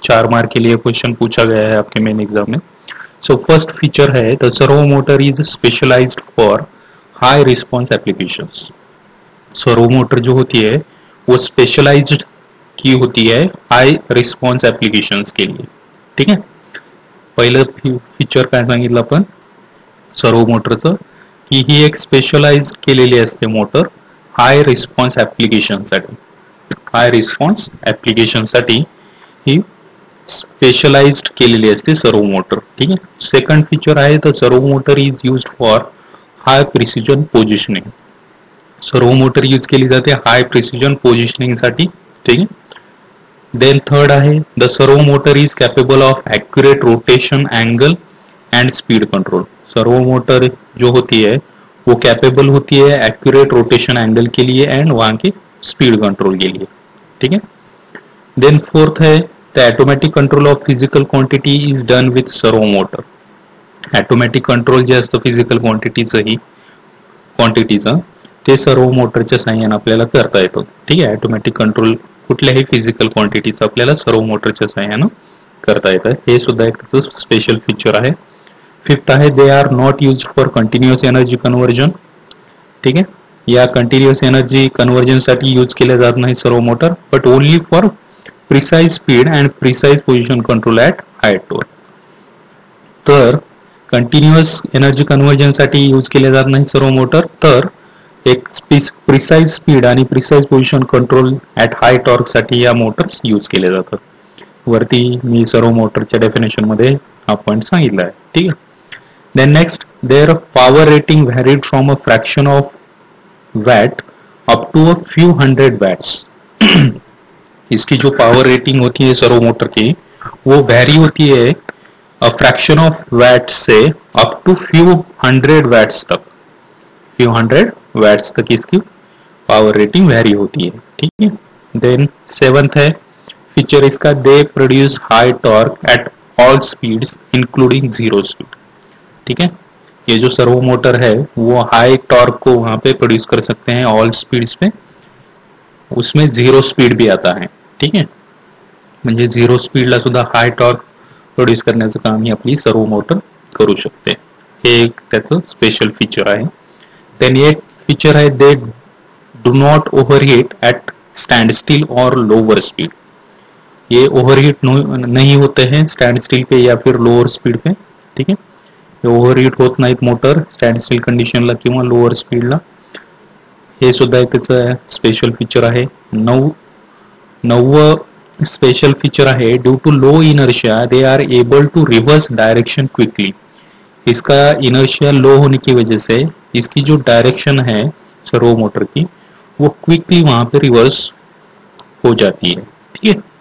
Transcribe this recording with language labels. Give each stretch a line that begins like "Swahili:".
Hindi: चार मार्क के लिए क्वेश्चन पूछा गया है आपके मेन एग्जाम में.
English: So first feature है the servo motor is specialized for high response applications.
Hindi: Servo motor जो होती है वो स्पेशलाइज्ड की होती है हाई रिस्पॉन्स एप्लीकेशंस के लिए.
Marathi: ठीक है, पहले फीचर काय सांगितलं आपण सर्वो मोटरचं, की ही एक स्पेशलाइज केलेली असते मोटर हाय रिस्पॉन्स ॲप्लिकेशनसाठी. हाय रिस्पॉन्स ॲप्लिकेशनसाठी ही स्पेशलाइज केलेली असते सर्वो मोटर. ठीक आहे, सेकंड फीचर आहे तर
English: Servo motor is use for high precision positioning.
Marathi: Servo motor use केली जाते हाय प्रिसिजन पोझिशनिंगसाठी. ठीक आहे, देन थर्ड आहे
English: The servo motor is capable of accurate rotation angle and speed control.
Hindi: Servo motor जो होती है वो कैपेबल होती है एक्यूरेट रोटेशन एंगल के लिए एंड वहां के स्पीड कंट्रोल के लिए. ठीक है, देन फोर्थ है
English: The automatic control of physical quantity is done with servo motor.
Marathi: Automatic control जे असतं फिजिकल क्वांटिटीचं ते सर्वो मोटरच्या साह्याने आपल्याला करता येतो. ठीक आहे, ऑटोमॅटिक कंट्रोल कुठल्याही फिजिकल क्वांटिटीचं आपल्याला सर्वो मोटरच्या साह्याने करता येतं, हे सुद्धा एक त्याचं स्पेशल फीचर आहे. फिफ्थ आहे
English: They are not use for continuous energy conversion.
Marathi: ठीक आहे, या कंटिन्युअस एनर्जी कन्वर्जनसाठी यूज केल्या जात नाही सर्वो motor,
English: but only for precise speed and precise position control at high
Marathi: torque. तर कंटिन्युअस एनर्जी कन्वर्जनसाठी यूज केल्या जात नाही सर्वो मोटर, तर एक प्रिसाईज स्पीड आणि प्रिसाईज पोझिशन कंट्रोल ॲट हाय टॉर्कसाठी या मोटर्स यूज केल्या जातात. वरती मी सर्वो मोटरच्या डेफिनेशनमध्ये हा पॉईंट सांगितला आहे. ठीक आहे, then next
English: There power rating varied from a fraction of watt up to a few hundred watts.
Hindi: इसकी जो पावर रेटिंग होती है सर्वो मोटर की वो वैरी होती है अ फ्रैक्शन ऑफ वैट से up to few hundred watts तक, फ्यू हंड्रेड वैट्स तक इसकी पावर रेटिंग वैरी होती है, ठीक है। देन सेवन्थ है फीचर इसका,
English: they produce high torque at all speeds including zero speed,
Hindi: ठीक है। ये जो सर्वो मोटर है वो हाई टॉर्क को वहां पे प्रोड्यूस कर सकते हैं ऑल स्पीड्स पे, उसमें जीरो स्पीड भी आता है, ठीक है।
Marathi: म्हणजे जीरो स्पीड ला सुद्धा हाई टॉर्क प्रोड्यूस करण्याचं काम ही आपली सर्वो मोटर करू शकते, हे एक त्याचं स्पेशल फीचर आहे। देन एक फीचर आहे
English: they do not overheat at standstill और lower speed,
Hindi: ये ओवरहीट नहीं होते हैं स्टैंड स्टील पे या फिर लोअर स्पीड पे, ठीक है।
Marathi: ओव्हरहीट होत नाही मोटर स्टैंड स्टील कंडिशन ला किंवा लोअर स्पीड ला, हे सुद्धा एक त्याचं स्पेशल फीचर आहे। नववं स्पेशल फीचर आहे
English: due to low inertia they are able to reverse direction quickly,
Hindi: इसका इनर्शिया लो होने की वजह से इसकी जो डायरेक्शन है सर्वो मोटर की वो क्विकली वहां पे रिवर्स हो जाती है, ठीक है।